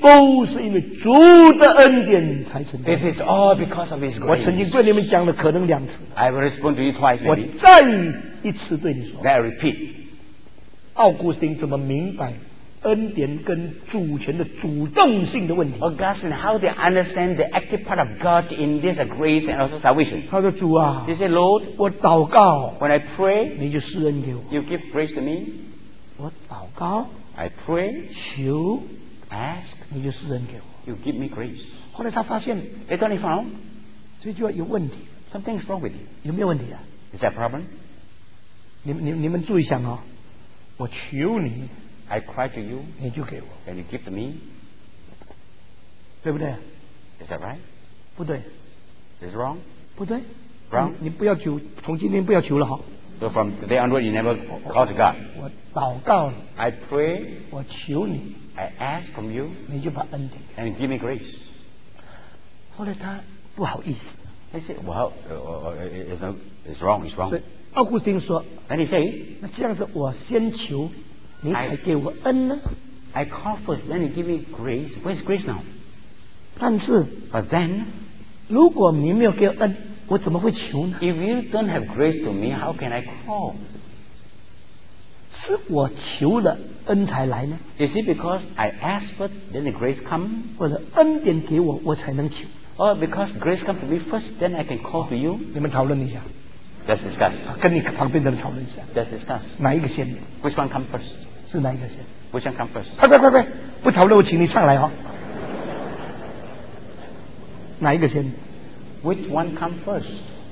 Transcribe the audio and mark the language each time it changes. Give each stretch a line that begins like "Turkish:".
Chinese: 都是因为主的恩典才成。
English: It is all because of His grace.
Chinese: 我曾经对你们讲了可能两次。
English: I will respond to you twice.
Chinese: 我再一次对你说。
English: Then I repeat.
Chinese: 奥古斯丁怎么明白？恩典跟主权的主动性的问题。
English: Augustine, how they understand the active part of God in this grace and also salvation?
Chinese: 他说主啊
English: ，He said, Lord,
Chinese: 我祷告
English: ，When I pray,
Chinese: 你就施恩给我。
English: You give grace to me.
Chinese: 我祷告
English: ，I pray,
Chinese: 求
English: ，Ask,
Chinese: 你就施恩给我。
English: You give me grace.
Chinese: 后来他发现
English: ，They only found,
Chinese: 这句话有问题。
English: Something's wrong with you.
Chinese: 有没有问题啊
English: ？Is that a problem?
Chinese: 你们注意想哦，我求你。
English: I cry to you,
Chinese: 你就给我
English: and you give to me,
Chinese: 对不对
English: Is that right?
Chinese: 不对
English: Is it wrong?
Chinese: 不对
English: Wrong?
Chinese: 你不要求，从今天不要求了哈
English: So from today onward, you never call to God.
Chinese: 我祷告你
English: I pray.
Chinese: 我求你
English: I ask from you.
Chinese: 你就把恩典
English: and give me grace.
Chinese: 后来他不好意思
English: He said, it's wrong.
Chinese: 奥古斯丁说
English: Then he said,
Chinese: 那这样子我先求。你才给我恩呢
English: I call first, then you give me grace. Where's grace now?
Chinese: 但是
English: But then,
Chinese: 如果你没有给我恩，我怎么会求呢
English: If you don't have grace to me, how can I call?
Chinese: 是我求了恩才来呢
English: Is it because I ask for then the grace come?
Chinese: 或者恩典给我，我才能求
English: Or because grace come to me first, then I can call to you?
Chinese: 你们讨论一下
English: Let's discuss.
Chinese: 跟你旁边的人讨论一下。
English: Let's discuss.
Chinese: 哪一个先
English: ？Which one come first?
Chinese: 是哪一个先
English: ？Which one come first?
Chinese: 快！不讨论，我请你上来哈、哦。哪一个先
English: ？Which one come first?